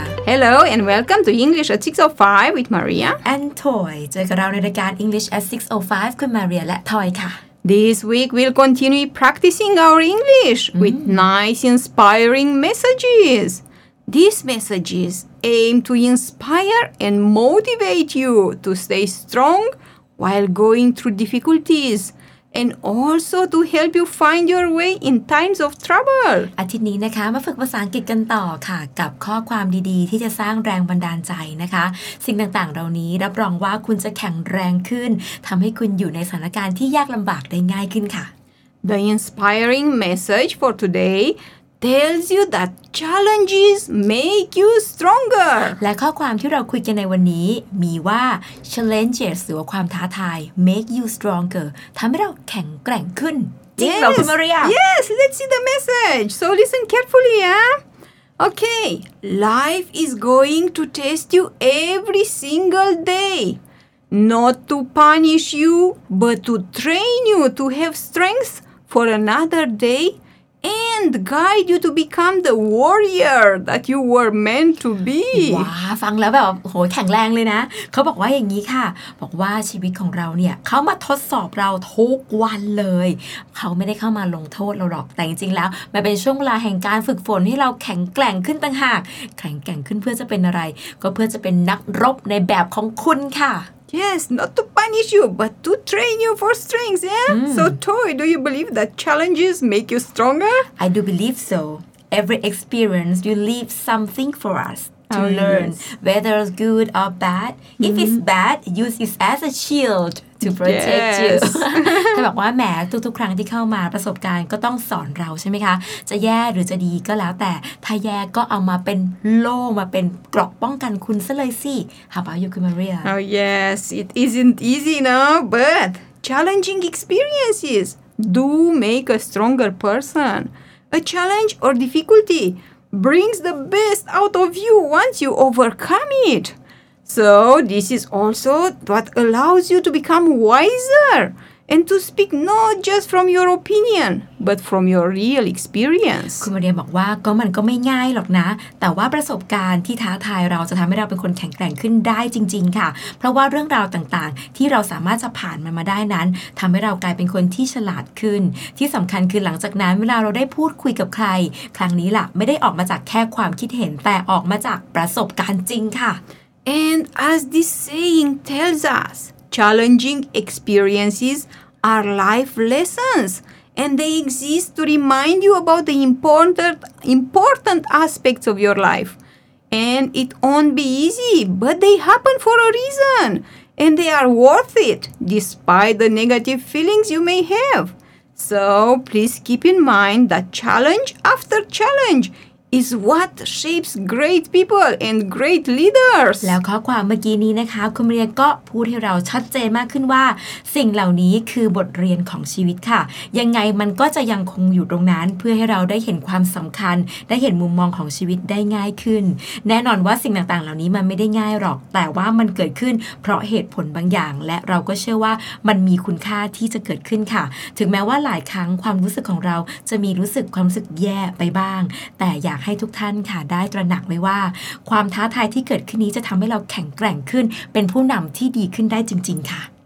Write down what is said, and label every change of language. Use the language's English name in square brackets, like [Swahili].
[English] Hello and welcome to English at 6:05 with Maria and Toy. [Thai] เจอกับเราในรายการ English at 6:05 คุณ Maria และ Toy ค่ะ [English] This week we'll continue practicing our English with nice inspiring messages. These messages aim to inspire and motivate you to stay strong while going through difficulties. And also to help you find your way in times of trouble. [Thai] อาทิตย์นี้นะคะมาฝึกภาษาอังกฤษกันต่อค่ะกับข้อความดีๆที่จะสร้างแรงบันดาลใจนะคะสิ่งต่างๆเหล่านี้รับรองว่าคุณจะแข็งแรงขึ้นทำให้คุณอยู่ในสถานการณ์ที่ยากลำบากได้ง่ายขึ้นค่ะ [English] The inspiring message for today tells you that challenges make you stronger. [Thai] และข้อความที่เราคุยกันในวันนี้มีว่า challenges หรือว่าความท้าทาย [English] make you stronger [Thai] ทำให้เราแข็งแกร่งขึ้นจริงเหรอคุณมาเรีย [English] Yes, let's see the message. So listen carefully, yeah? Okay, life is going to test you every single day. Not to punish you, but to train you to have strength for another dayAnd guide you to become the warrior that you were meant to be. [Thai] ว้าฟังแล้วแบบโหแข็งแรงเลยนะเขาบอกว่าอย่างนี้ค่ะบอกว่าชีวิตของเราเนี่ยเขามาทดสอบเราทุกวันเลยเขาไม่ได้เข้ามาลงโทษเราหรอกแต่จริงๆแล้วมันเป็นช่วงเวลาแห่งการฝึกฝนให้เราแข็งแกร่งขึ้นต่างหากแข็งแกร่งขึ้นเพื่อจะเป็นอะไรก็เพื่อจะเป็นนักรบในแบบของคุณค่ะ [English] Yes, not to punish you, but to train you for strength, yeah? Mm. So, Toy, do you believe that challenges make you stronger? I do believe so. Every experience, you leave something for us to learn, yes. whether it's good or bad. Mm-hmm. If it's bad, use it as a shield to protect yes. you. [Thai] ท่านบอกว่าแหมทุกๆครั้งที่เข้ามาประสบการณ์ก็ต้องสอนเราใช่ไหมคะจะแย่หรือจะดีก็แล้วแต่ถ้าแย่ก็เอามาเป็นโล่มาเป็นเกราะป้องกันคุณซะเลยสิ [English] How about you, Maria? Oh yes, it isn't easy, no? But challenging experiences do make a stronger person. A challenge or difficultybrings the best out of you once you overcome it. So this is also what allows you to become wiser and to speak not just from your opinion, but from your real experience. [Thai] คุณมาเรียนบอกว่าก็มันก็ไม่ง่ายหรอกนะแต่ว่าประสบการณ์ที่ท้าทายเราจะทำให้เราเป็นคนแข็งแกร่งขึ้นได้จริงๆค่ะเพราะว่าเรื่องราวต่างๆที่เราสามารถจะผ่านมันมาได้นั้นทำให้เรากลายเป็นคนที่ฉลาดขึ้นที่สำคัญคือหลังจากนั้นเวลาเราได้พูดคุยกับใครครั้งนี้ล่ะไม่ได้ออกมาจากแค่ความคิดเห็นแต่ออกมาจากประสบการณ์จริงค่ะ [English] And as this saying tells us,Challenging experiences are life lessons, and they exist to remind you about the important aspects of your life. And it won't be easy, but they happen for a reason, and they are worth it, despite the negative feelings you may have. So please keep in mind that challenge after challenge. Is what shapes great people and great leaders. [Thai] แล้วข้อความเมื่อกี้นี้นะคะคุณเรียนก็พูดให้เราชัดเจนมากขึ้นว่าสิ่งเหล่านี้คือบทเรียนของชีวิตค่ะยังไงมันก็จะยังคงอยู่ตรงนั้นเพื่อให้เราได้เห็นความสำคัญได้เห็นมุมมองของชีวิตได้ง่ายขึ้น แน่นอนว่าสิ่งต่างๆเหล่านี้มันไม่ได้ง่ายหรอกแต่ว่ามันเกิดขึ้นเพราะเหตุผลบางอย่างและเราก็เชื่อว่ามันมีคุณค่าที่จะเกิดขึ้นค่ะถึงแม้ว่าหลายครั้งความรู้สึกของเราจะมีรู้สึกความรู้สึกแย่ไปบ้างแต่อยากให้ทุกท่านค่ะได้ตระหนักไว้ว่าความท้าทายที่เกิดขึ้นนี้จะทำให้เราแข็งแกร่งขึ้นเป็นผู้นำที่ดีขึ้นได้จริงๆค่ะ